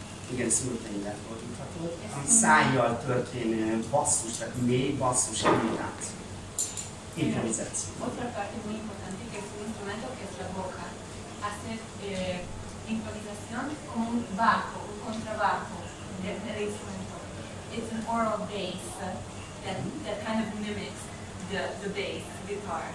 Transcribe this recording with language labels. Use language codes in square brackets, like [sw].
[hu] Igen, szülteimben fordíthatod. A szájjal történő basszus, tehát mély basszus imitát. Improvizáció. [es] Otra parte muy importante, que es un instrumento que es la boca. Hacer improvisación con un bajo, un contrabajo del instrumento. [en] It's an oral bass that kind of mimics the bass, the guitar.